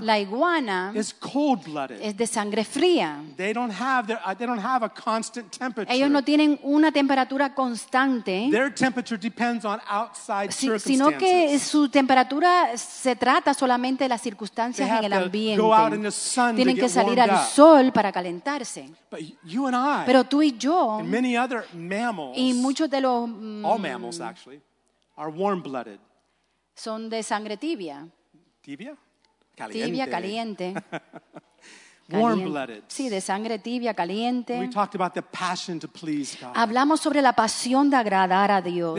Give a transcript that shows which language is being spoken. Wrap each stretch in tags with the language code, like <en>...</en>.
<es>La iguana</es> <en>is cold-blooded.</en> <es>Es de sangre fría.</es> <en>They don't have a constant temperature.</en> <es>Ellos no tienen una temperatura constante.</es> <en>Their temperature depends on outside circumstances.</en> <es>Sino que su temperatura se trata solamente de las circunstancias en el ambiente.</es> <en>They have to go out in the sun.</en> <es>Tienen</es> <en>to</en> <es>que</es> <en>get</en> <es>salir</es> <en>warmed</en> <es>al</es> <en>up.</en> <es>Sol para calentarse.</es> <en>But you and I,</en> <es>pero tú y yo,</es> <en>and many other mammals,</en> <es>y muchos de los</es> <en>all mammals actually, are warm-blooded.</en> <es>Son de sangre tibia. Tibia? Caliente. Tibia, caliente.</es> <en>Warm-blooded.</en> <es>Sí, de sangre tibia, caliente.</es> <en>We talked about the passion to please God.</en> <es>Hablamos sobre la pasión de agradar a Dios.</es>